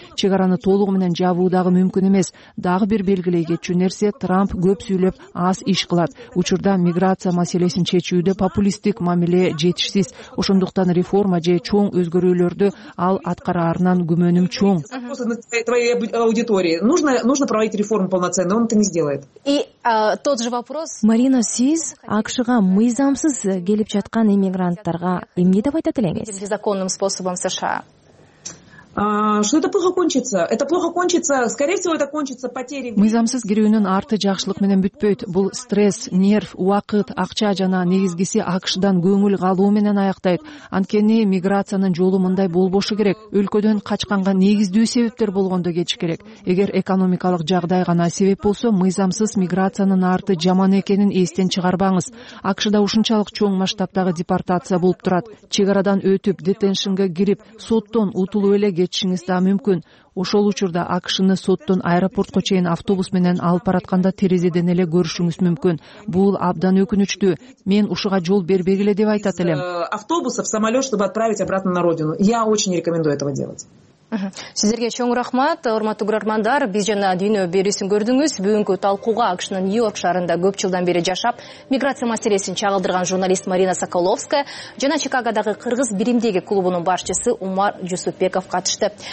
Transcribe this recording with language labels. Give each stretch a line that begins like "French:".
Kyrgyz: Чек араны толугу менен жабуу дагы мүмкүн эмес. Дагы бир белгилей кетчү нерсе, Трамп көп сүйлөп, аз иш кылат. Учурда миграция маселесин чечүүдө популисттик мамиле жетишсиз. Ошондуктан реформа же чоң өзгөрүүлөрдү ал аткарарынан күмөнүм чоң.
Russian: Твоей аудитории нужно проводить реформу полноценную, он это не сделает. И тот же вопрос.
Kyrgyz: Марина, сиз АКШга мыйзамсыз келип жаткан иммигранттарга эмне деп айтат элеңиз?
Russian: Незаконным способом США. Что это плохо кончится? Это плохо кончится, скорее всего, это кончится потерей.
Kyrgyz: Мыйзамсыз кирүүнүн арты жакшылык менен бүтпөйт. Бул стресс, нерв, убакыт, акча жана негизгиси АКШдан көңүл калуу менен аяктайт. Анткени миграциянын жолу мындай болбошу керек. Өлкөдөн качканга негиздүү себептер болгондо кетиш керек. Эгер экономикалык жагдай гана себеп болсо, мыйзамсыз миграциянын арты жаман экенин эстен чыгарбаңыз. АКШда ушунчалык чоң масштабтагы депортация болуп турат. Чек арадан өтүп, детеншинге кирип, соттон утулуп эле кетишиңиз да мүмкүн. Ошол учурда АКШны соттон аэропортко чейин автобус менен алып баратканда терезеден эле көрүшүңүз мүмкүн. Бул абдан өкүнүчтүү. Мен ушуга жол бербегиле деп айтат элем.
Russian: Автобусов, самолет, чтобы отправить обратно на родину. Я очень рекомендую этого делать.
Kyrgyz: Сиздерге чоң рахмат, урматтуу көрөрмандар, биз жана дүйнө берүүсүн көрдүңүз. Бүгүнкү талкууга АКШнын Нью-Йорк шаарында көп жылдан бери жашап, миграция маселесин чагылдырган журналист Марина Соколовская жана Чикагодагы кыргыз биримдиги клубунун башчысы Умар Жусупбеков катышты.